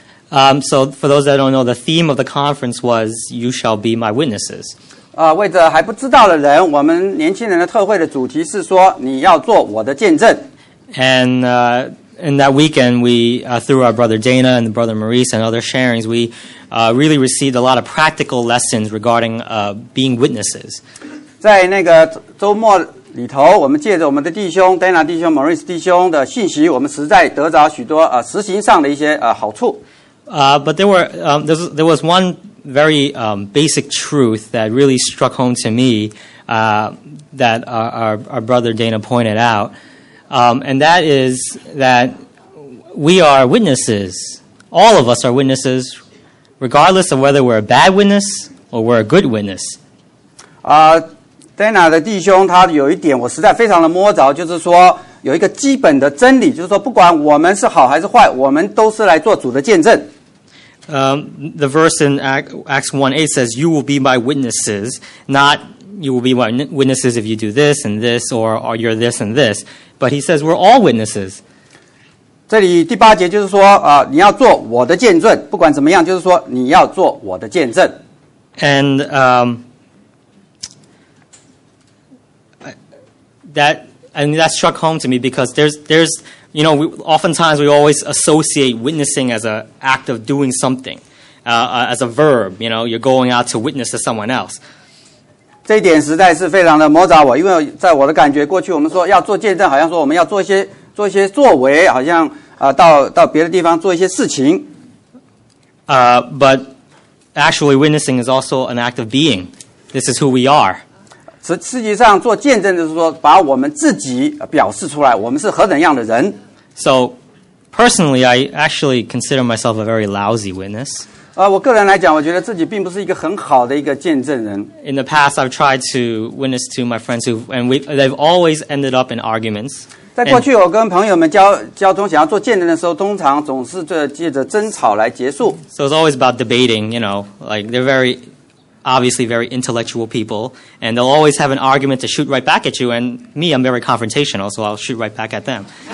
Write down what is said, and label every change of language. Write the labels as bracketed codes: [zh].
[en] So for those that don't know, the theme of the conference was, you shall be my witnesses. [zh] 为着还不知道的人，我们年轻人的特会的主题是说，你要做我的见证。 [en] And in that weekend, we through our brother Dana and brother Maurice and other sharings, we really received a lot of practical lessons regarding being witnesses. [zh] 在那个周末里头，我们借着我们的弟兄 Dana 弟兄 Maurice 弟兄的信息，我们实在得着许多 实行上的一些 好处。 [en] But there was one very basic truth that really struck home to me that our brother Dana pointed out, and that is that we are witnesses. All of us are witnesses, regardless of whether we're a bad witness or we're a good witness. [zh] Dana 的弟兄，他有一点我实在非常的摸着，就是说有一个基本的真理，就是说不管我们是好还是坏，我们都是来做主的见证。 [en] The verse in Acts 1:8 says, "You will be my witnesses." Not, "You will be my witnesses if you do this and this, or you're this and this." But he says, "We're all witnesses." [zh] 这里第八节就是说，你要做我的见证，不管怎么样，就是说你要做我的见证。 [en] And that struck home to me because there's. You know, oftentimes we always associate witnessing as an act of doing something, as a verb. You know, you're going out to witness to someone else. [zh] 这一点实在是非常的摸着我，因为在我的感觉，过去我们说要做见证，好像说我们要做一些作为，好像到别的地方做一些事情。 [en] But actually witnessing is also an act of being. This is who we are. [zh] 实际上做见证就是说把我们自己表示出来,我们是何等样的人。 [en] So personally, I actually consider myself a very lousy witness. [zh] 我个人来讲,我觉得自己并不是一个很好的一个见证人。 [en] In the past, I've tried to witness to my friends who, and they've always ended up in arguments. [zh] 在过去我跟朋友们交通想要做见证的时候,通常总是借着争吵来结束。 [en] So it's always about debating, you know, like they're very, obviously very intellectual people, and they'll always have an argument to shoot right back at you, and me, I'm very confrontational, so I'll shoot right back at them.